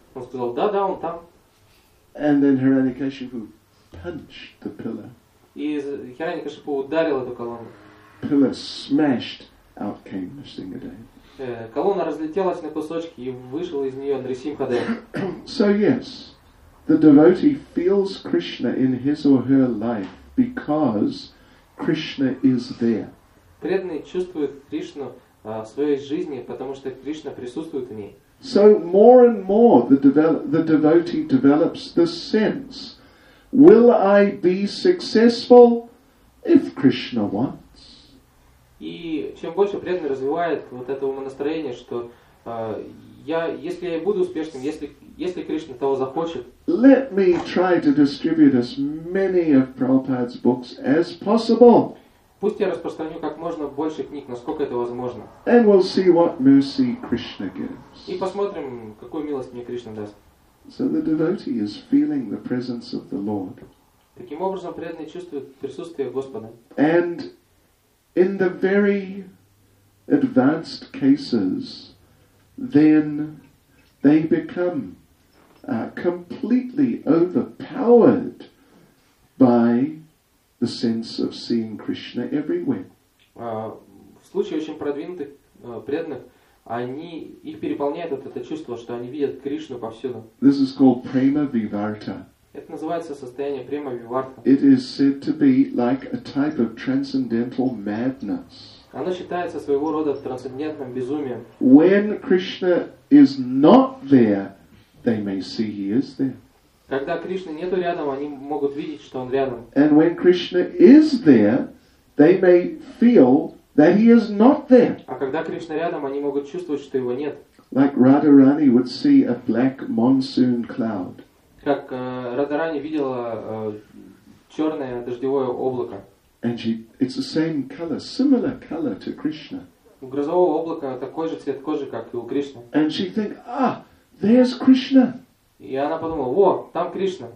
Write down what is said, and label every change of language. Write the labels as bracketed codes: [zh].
[ru] Он сказал, да-да, он там. [en] And then Hiranyakashipu punched the pillar. [ru] И Хиранья-кашипу ударил эту колонну. [en] Pillar smashed, out came Нрисимхадев. [ru] Колонна разлетелась на кусочки, и вышел из нее Нрисимхадев. [en] So yes, the devotee feels Krishna in his or her life because Krishna is there. [ru] Преданный чувствует Кришну в своей жизни, потому что Кришна присутствует в ней. [en] So more and more the devotee develops the sense, will I be successful if Krishna wants? [ru] И чем больше преданный развивает вот это умонастроение, что я, если я буду успешным, если Кришна того захочет. [en] Let me try to distribute as many of Prabhupada's books as possible. [ru] Пусть я распространю как можно больше книг, насколько это возможно. [en] And we'll see what mercy Krishna gives. [ru] И посмотрим, какую милость мне Кришна даст. [en] So the devotee is feeling the presence of the Lord. [ru] Таким образом, преданный чувствует присутствие Господа. [en] And in the very advanced cases, then they become completely overpowered by the sense of seeing Krishna everywhere. [ru] В случае очень продвинутых преданных, они их переполняет вот это чувство, что они видят Кришну повсюду. [en] This is called prema vivarta. [ru] Это называется состояние prema vivarta. [en] It is said to be like a type of transcendental madness. [ru] Оно считается своего рода трансцендентным безумием. [en] When Krishna is not there, they may see he is there. [ru] Когда Кришны нету рядом, они могут видеть, что он рядом. [en] And when Krishna is there, they may feel that he is not there. [ru] А когда Кришна рядом, они могут чувствовать, что его нет. [en] Like Radharani would see a black monsoon cloud. [ru] Как Радхарани видела черное дождевое облако. [en] And it's the same color, similar color to Krishna. [ru] У грозового облака такой же цвет кожи, как и у Кришны. [en] And she think, ah, there's Krishna. [ru] И она подумала, во, там Кришна.